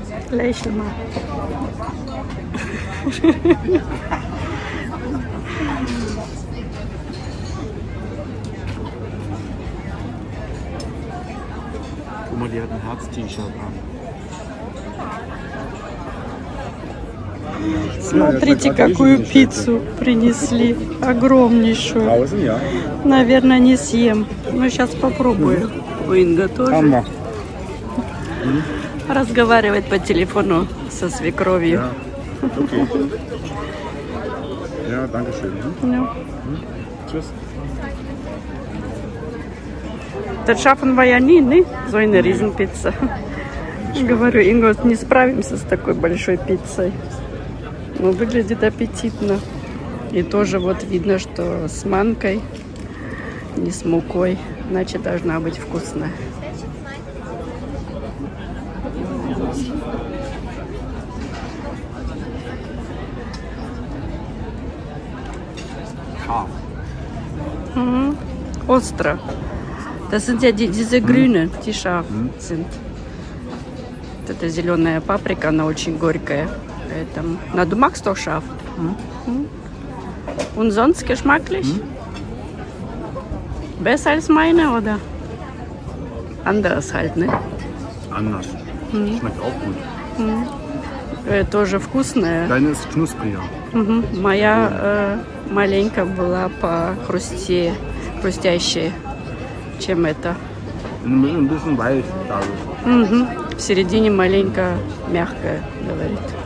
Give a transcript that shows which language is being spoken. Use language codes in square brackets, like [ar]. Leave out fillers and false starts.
[de] Lächel mal. Guck mal, die hat ein Herz-T-Shirt an. [ru] Смотрите, какую пиццу принесли. Огромнейшую. [de] Tausend, ja. [ru] Наверное, не съем. Но сейчас попробую. Инга тоже. [de] Anna. [ru] Разговаривает по телефону со свекровью. [de] Ja, danke schön. Tschüss. Das schaffen wir ja nie, ne? So eine Riesenpizza. [ru] Говорю, Инга, не справимся с такой большой пиццей. Ну, выглядит аппетитно. И тоже вот видно, что с манкой, не с мукой. Значит, должна быть вкусно. Остро. [de] Das sind ja diese grüne, die scharf sind. [ru] Это зеленая паприка, она очень горькая. Поэтому. Но ты [de] magst auch scharf. Und sonst geschmacklich? Besser als meine, oder? Anders halt, ne? Anders. Schmeckt auch gut. [ru] Тоже вкусная. [de] Deine ist knusprig. [ru] Моя маленькая была похрустее, хрустящее, чем это. [de] Ein bisschen weich, glaube ich. [ru] В середине маленько мягкая, говорит.